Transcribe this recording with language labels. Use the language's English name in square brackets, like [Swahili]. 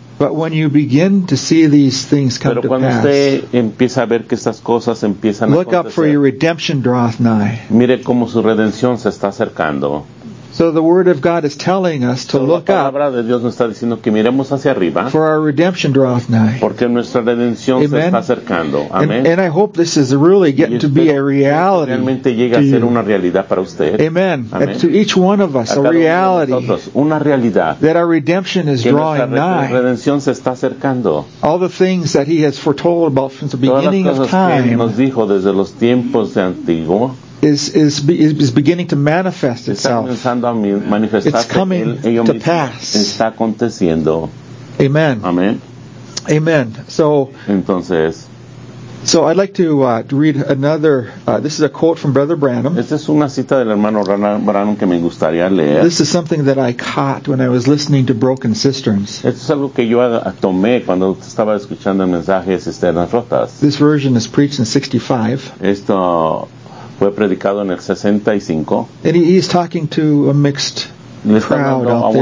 [English] But when you begin to see these things come to pass, [Spanish] usted empieza a ver que estas cosas empiezan [English] look [Spanish] a [English] up for your redemption draweth nigh. [Spanish] Mire cómo su redención se está acercando. [English] So the word of God is telling us to look up. [Spanish] La palabra de Dios nos está diciendo que miremos hacia arriba. [English] For our redemption draweth nigh. [Spanish] Porque nuestra redención [English] Amen. [Spanish] Se está acercando. Amen. [English] And I hope this is really getting to be a reality. [Spanish] Realmente llega a ser una realidad para usted. [English] Amen. [Spanish] Amen. [English] To each one of us, a reality. [Spanish] Una realidad. [English] That our redemption is drawing nigh. [Spanish] Que nuestra redención se está acercando. [English] All the things that He has foretold about since the beginning of time. [Spanish] Que nos dijo desde los tiempos de antiguo. [English] Is beginning to manifest itself. [Spanish] Está comenzando a manifestarse. [English] It's coming to pass. [Spanish] Está aconteciendo. [English] Amen. [Spanish] Amen. [English] Amen. So. [Spanish] Entonces. [English] So I'd like to read another. This is a quote from Brother Branham. [Spanish] Esta es una cita del hermano Branham que me gustaría leer. [English] This is something that I caught when I was listening to Broken Cisterns. [Spanish] Esto es algo que yo tomé cuando estaba escuchando mensajes de cisternas rotas. [English] This version is preached in 65. [Spanish] Esto fue predicado en el 65. [English] And he's talking to a mixed crowd out there.